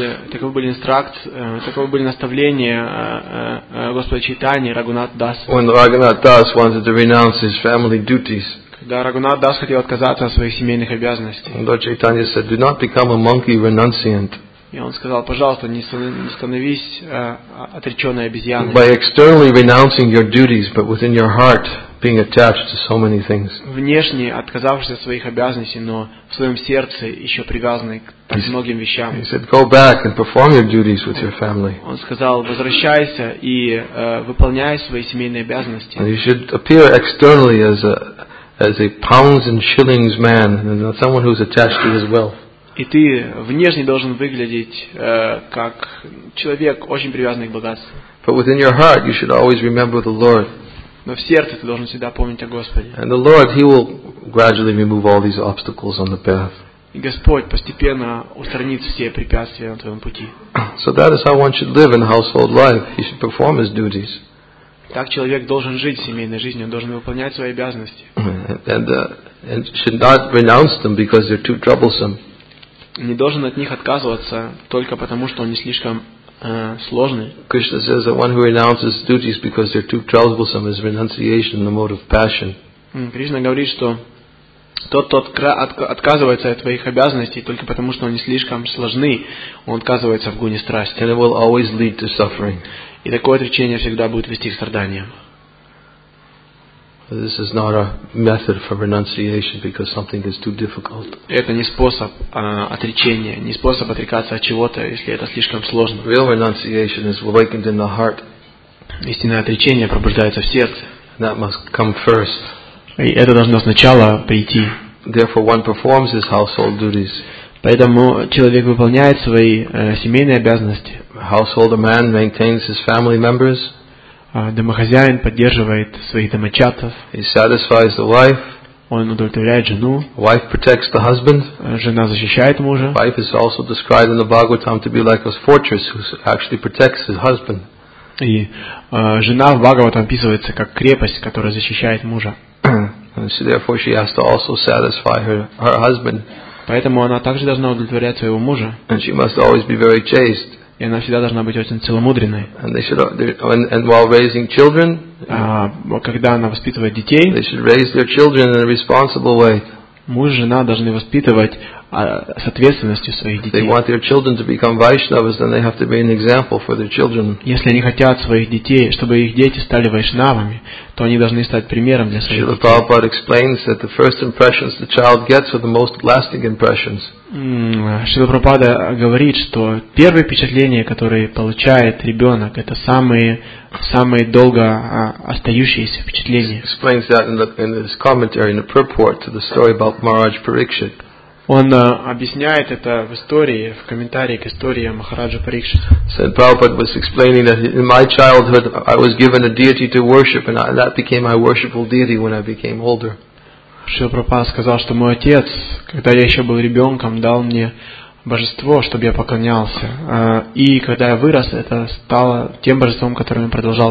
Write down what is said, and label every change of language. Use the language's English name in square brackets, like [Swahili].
[Russian] Таковы были наставления Господа Чайтаньи Рагхунат Дас. [English] When Raghunath Das wanted to renounce his family duties. [Russian] Когда Рагхунат Дас хотел отказаться от своих семейных обязанностей. [English] Lord Chaitanya said, "Do not become a monkey renunciant." [Russian] И он сказал, пожалуйста, не становись отреченной обезьяной. [English] By externally renouncing your duties, but within your heart being attached to so many things. [Russian] Внешне отказавшись от своих обязанностей, но в своем сердце еще привязанный к многим вещам. [English] He said, "Go back and perform your duties with your family." [Russian] Он сказал, возвращайся и выполняй свои семейные обязанности. [English] You should appear externally as a pounds and shillings man, and someone who is attached to his wealth. [Russian] И ты внешне должен выглядеть как человек, очень привязанный к богатству. [English] But within your heart, you should always remember the Lord. [Russian] Но в сердце ты должен всегда помнить о Господе. [English] And the Lord, He will gradually remove all these obstacles on the path. [Russian] И Господь постепенно устранит все препятствия на твоем пути. [English] So that is how one should live in household life. He should perform his duties. [Russian] Так человек должен жить в семейной жизни, он должен выполнять свои обязанности. [English] And should not renounce them because they're too troublesome. [Russian] Не должен от них отказываться только потому, что они слишком сложны. [English] Krishna says that one who renounces duties because they're too troublesome is renunciation, the mode of passion. [Russian] Кришна говорит, что тот, кто отказывается от твоих обязанностей только потому, что они слишком сложны, он отказывается в гуне страсти. [English] And it will always lead to suffering. [Russian] И такое отречение всегда будет вести к страданиям. [English] This is not a method for renunciation because something is too difficult. [Russian] Это не способ отречения, не способ отрекаться от чего-то, если это слишком сложно. [English] Real renunciation is awakened in the heart. [Russian] Истинное отречение пробуждается в сердце. [English] That must come first. [Russian] И это должно сначала прийти. [English] Therefore, one performs his household duties. [Russian] Поэтому человек выполняет свои семейные обязанности. [English] A householder man maintains his family members. [Russian] Домохозяин поддерживает своих домочадцев. [English] He satisfies the wife. [Russian] Он удовлетворяет жену. [English] Wife protects the husband. [Russian] Жена защищает мужа. [English] Wife is also described in the Bhagavatam to be like a fortress who actually protects his husband. [Russian] И жена в Бхагаватам описывается как крепость, которая защищает мужа. [English] So therefore she has to also satisfy her husband. [Russian] Поэтому она также должна удовлетворять своего мужа. [English] And she must always be very chaste. [Russian] И она всегда должна быть очень целомудренной. [English] And while raising children, [Russian] когда она воспитывает детей, [English] they should raise their children in a responsible way. [Russian] Муж и жена должны воспитывать с ответственностью своих детей. [English] If they want their children to become Vaishnavas, then they have to be an example for their children. [Russian] Если они хотят своих детей, чтобы их дети стали вайшнавами, то они должны стать примером для своих детей. [English] Srila Prabhupada explains that the first impressions the child gets are the most lasting impressions. [Russian] Шрила Прабхупада говорит, что первые впечатления, которые получает ребенок, это самые долго остающиеся впечатления. [English] Explains that in his commentary, in the purport to the story about Maharaj Parikshit. [Russian] Он объясняет это в истории, в комментарии к истории о Махараджа Парикшит. [English] Said Prabhupada was explaining that in my childhood I was given a deity to worship, and that became my worshipful deity when I became older. [Russian] Шрила Прабхупада сказал, что мой отец, когда я еще был ребенком, дал мне божество, чтобы я поклонялся. И когда я вырос, это стало тем божеством, которым я продолжал